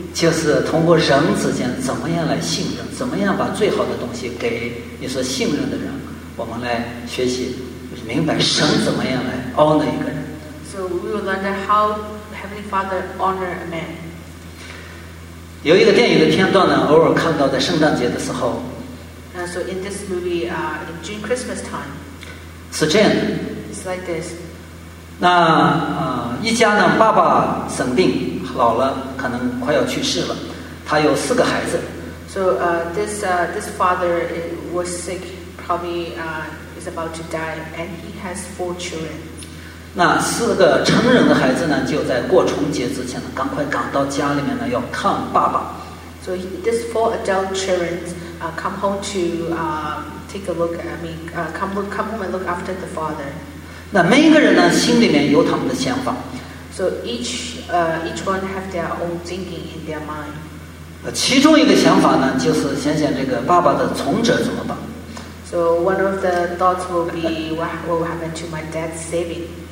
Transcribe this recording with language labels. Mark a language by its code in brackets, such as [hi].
[zh] 就是通过人之间怎么样来信任，怎么样把最好的东西给你所信任的人，我们来学习，明白神怎么样来 honor 一个人。 [en] So we will learn how Heavenly Father honor a man. [zh] 有一个电影的片段呢，偶尔看到在圣诞节的时候。 [en] So in this movie, in June Christmas time. [zh] 是这样的。 [en] It's like this. [zh] 那一家呢，爸爸生病老了，可能快要去世了。他有四个孩子。 [en] So this father was sick, probably is about to die, and he has four children. [zh] 那四个成人的孩子呢，就在过春节之前呢，赶快赶到家里面呢，要看爸爸。 [en] So these four adult children come home to take a look. Come home and look after the father. [zh] 那每一个人呢，心里面有他们的想法。 [en] So each one have their own thinking in their mind. [zh] 其中一个想法呢，就是想想这个爸爸的存折怎么办。 [en] So one of the thoughts will be what will happen to my dad's saving.